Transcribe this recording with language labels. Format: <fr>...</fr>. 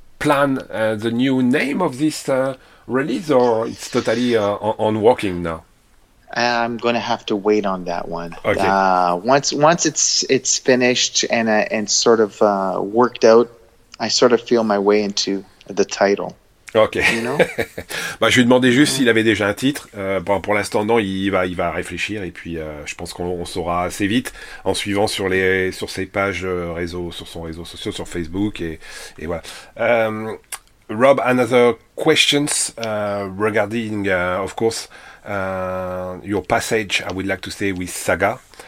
<en>plan the new name of this release, or it's totally on working now? I'm going to have to wait on that one. Okay. Once it's finished and sort of worked out, I sort of feel my way into the title. Ok. You know?</en> <fr>Bah, je lui demandais juste s'il avait déjà un titre. Bon, pour l'instant, non, il va réfléchir et puis je pense qu'on saura assez vite en suivant sur ses pages réseaux, sur son réseau social, sur Facebook et voilà.</fr> <en>Rob, another questions regarding, of course, your passage. I would like to stay with Saga.</en>